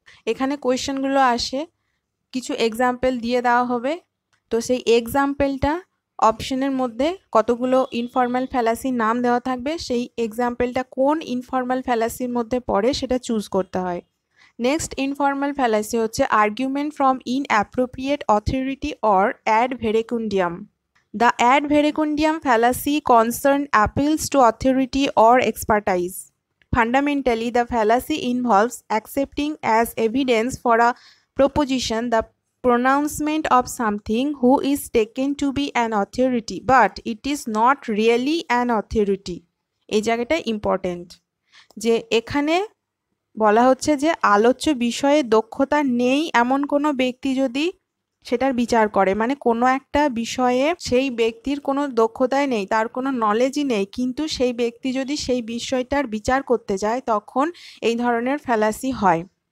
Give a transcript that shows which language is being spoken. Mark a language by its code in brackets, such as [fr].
[bn] এখানে কোয়েশ্চেনগুলো আসে, কিছু এক্সাম্পল দিয়ে দেওয়া হবে, তো সেই এক্সাম্পলটা অপশনের মধ্যে কতগুলো ইনফর্মাল ফ্যালাসির নাম দেওয়া থাকবে, সেই এক্সাম্পলটা কোন ইনফর্মাল ফ্যালাসির মধ্যে পড়ে সেটা চুজ করতে হয়। নেক্সট ইনফর্মাল ফ্যালাসি হচ্ছে argument from inappropriate authority or add ভেরেকুন্ডিয়াম। [en] The ad verecundiam fallacy concern appeals to authority or expertise. Fundamentally, the fallacy involves accepting as evidence for a proposition the pronouncement of something who is taken to be an authority, but it is not really an authority. [bn] এই জায়গাটা important যে এখানে বলা হচ্ছে যে আলোচ্য বিষয়ে দক্ষতা নেই এমন কোনো ব্যক্তি যদি সেটার বিচার করে, মানে কোনো একটা বিষয়ে সেই ব্যক্তির কোনো দক্ষতাই নেই, তার কোনো নলেজই নেই, কিন্তু সেই ব্যক্তি যদি সেই বিষয়টার বিচার করতে যায় তখন এই ধরনের ফ্যালাসি হয়।